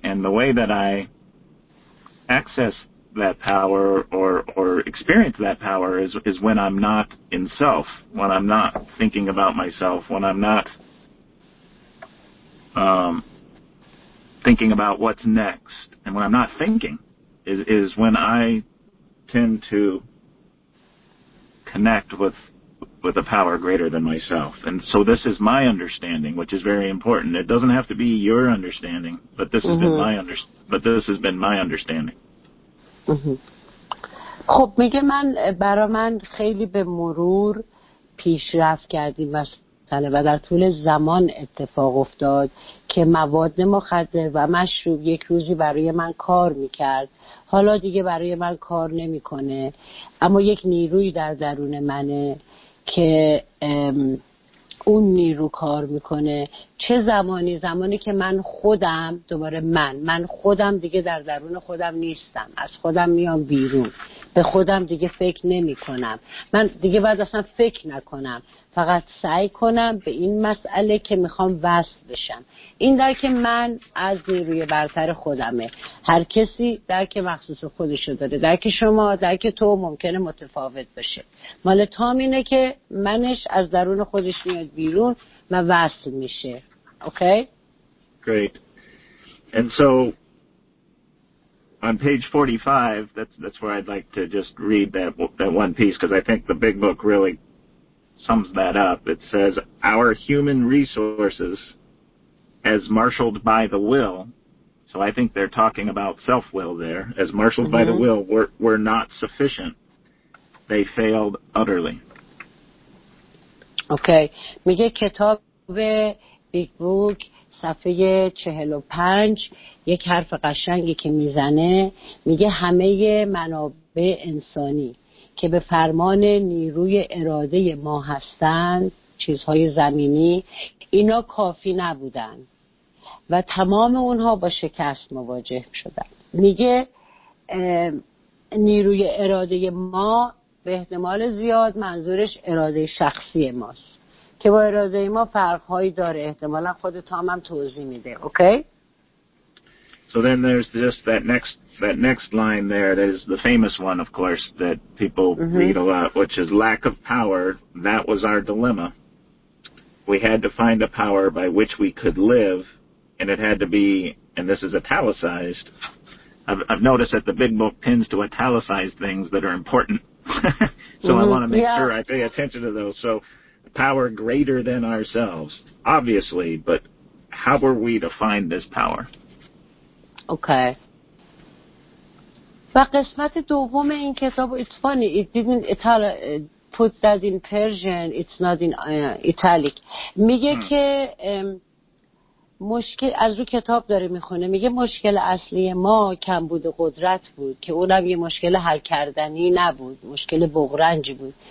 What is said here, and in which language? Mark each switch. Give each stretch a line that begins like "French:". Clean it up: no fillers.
English: And the way that I access that power or experience that power is when I'm not in self, when I'm not thinking about myself, when I'm not thinking about what's next, and when I'm not thinking is when I tend to connect with a power greater than myself. And so this is my understanding, which is very important. It doesn't have to be your understanding, but this mm-hmm. has been my understanding.
Persian: خب میگه من برا من خیلی به مرور پیشرفت کردیم مثلا و در طول زمان اتفاق افتاد که مواد مخدر و مشروب یک روزی برای من کار میکرد، حالا دیگه برای من کار نمیکنه، اما یک نیروی در درون منه که اون نیرو کار میکنه. چه زمانی؟ زمانی که من خودم دوباره من خودم دیگه در درون خودم نیستم، از خودم میام بیرون، به خودم دیگه فکر نمی کنم، من دیگه باید اصلا فکر نکنم، فقط سعی کنم به این مسئله که میخوام وصل بشم. این درک من از نیروی برتر خودمه. هر کسی درک مخصوص خودشو داره، درک شما، درک تو ممکنه متفاوت بشه. مال تام اینه که منش از درون خودش میاد بیرون و وصل میشه.
English: Okay? Great. And so on page 45, that's where I'd like to just read that one piece, because I think the big book really sums that up. It says, our human resources as marshaled by the will, so I think they're talking about self-will there, as marshaled by the will, were not sufficient. They failed utterly. Okay.
Persian: میگه کتاب بیگ بوک صفحه 45 یک حرف قشنگی که میزنه، میگه همه منابع انسانی که به فرمان نیروی اراده ما هستند، چیزهای زمینی، اینا کافی نبودن و تمام اونها با شکست مواجه شدن. میگه نیروی اراده ما به احتمال زیاد منظورش اراده شخصی ماست، که با اراده ما فرقهایی داره، احتمالا خود تام هم توضیح میده.
English: Okay? So then there's just that next line there, that is the famous one, of course, that people read a lot, which is lack of power, that was our dilemma. We had to find a power by which we could live, and it had to be, and this is italicized, I've noticed that the big book tends to italicize things that are important, so I want to make sure I pay attention to those. So power greater than ourselves, obviously, but how were we to find this power? Okay.
Persian: و قسمت دوم این کتاب،
English: it's funny, it didn't put that in Persian, it's not in italic.
Persian: میگه که مشکل از رو کتاب داره میخونه، میگه مشکل اصلی ما کمبود قدرت بود، که اونم یه مشکل حل کردنی نبود، مشکل بغرنج بود.